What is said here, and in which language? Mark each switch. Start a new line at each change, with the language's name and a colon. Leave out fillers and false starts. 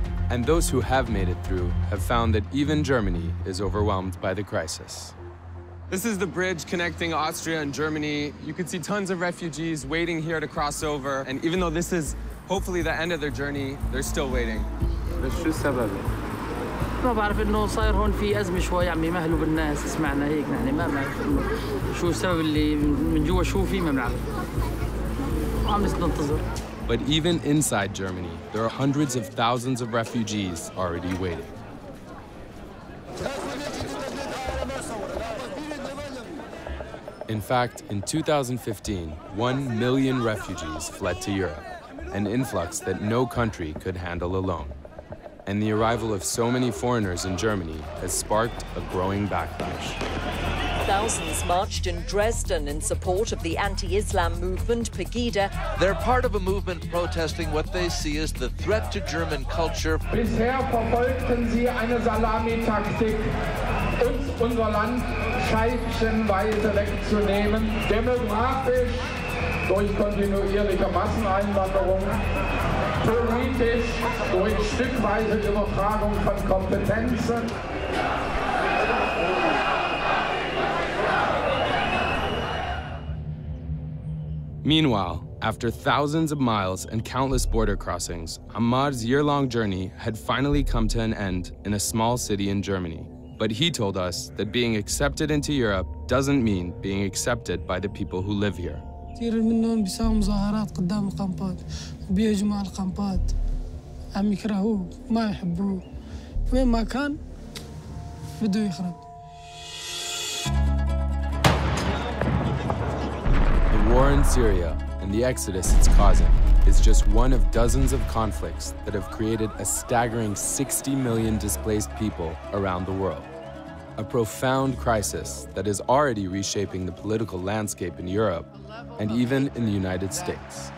English: And those who have made it through have found that even Germany is overwhelmed by the crisis. This is the bridge connecting Austria and Germany. You can see tons of refugees waiting here to cross over. And even though this is hopefully the end of their journey, they're still waiting.
Arabic: ما بعرف انه صاير هون في ازمه شوي عم يمهلوا بالناس سمعنا هيك يعني ما شو السبب اللي من جوا شو في ما بنعرف عم ننتظر.
English: But even inside Germany, there are hundreds of thousands of refugees already waiting. In fact, in 2015, 1 million refugees fled to Europe, an influx that no country could handle alone. And the arrival of so many foreigners in Germany has sparked a growing backlash. Thousands marched in Dresden in support of the anti-Islam movement Pegida. They're part of a movement protesting what they see as the threat to German culture.
German: Bisher verfolgten sie eine Salamitaktik, uns unser Land scheibchenweise wegzunehmen, demografisch durch kontinuierliche Masseneinwanderung.
English: Meanwhile, after thousands of miles and countless border crossings, Ahmad's year-long journey had finally come to an end in a small city in Germany. But he told us that being accepted into Europe doesn't mean being accepted by the people who live here.
Arabic: كثير منهم بيساووا مظاهرات قدام القنبات وبيهجموا على القنبات عم يكرهوه ما يحبوه وين ما كان بده يخرب.
English: The war in Syria and the exodus it's causing is just one of dozens of conflicts that have created a staggering 60 million displaced people around the world. A profound crisis that is already reshaping the political landscape in Europe and even in the United States.